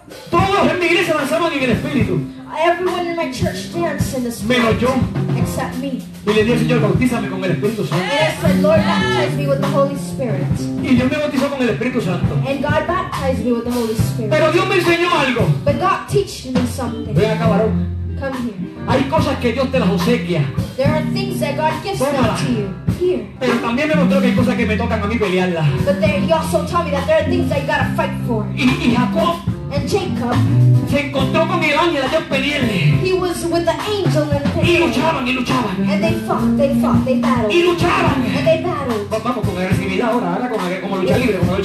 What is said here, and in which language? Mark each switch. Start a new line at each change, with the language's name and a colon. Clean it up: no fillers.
Spanish: Todos en mi iglesia danzaban en el Espíritu.
English: Everyone in my church danced in the Spirit.
Spanish: Menos yo.
English: Except me.
Spanish: Y le dije, Señor, bautízame con el Espíritu Santo.
English: And I said, Lord, baptize me with the Holy Spirit.
Spanish: Y Dios me bautizó con el Espíritu Santo.
English: And God baptized me with the Holy Spirit.
Spanish: Pero Dios me enseñó algo.
English: But God taught me something.
Spanish: Ve acá, varón.
English: come here.
Spanish: Hay cosas que Dios te las obsequia.
English: There are things that God gives to you. Here.
Spanish: Pero también me mostró que hay cosas que me tocan a mí pelearlas.
English: But there, he also told me that there are things I gotta fight for.
Spanish: Y Jacob.
English: And Jacob.
Spanish: Se encontró con el ángel a Dios pelearle.
English: He was with the angel and
Spanish: pelearle. Y luchaban.
English: And they fought, they battled.
Spanish: Y luchaban.
English: And they battled.
Spanish: Pues vamos con agresividad ahora como lucha libre.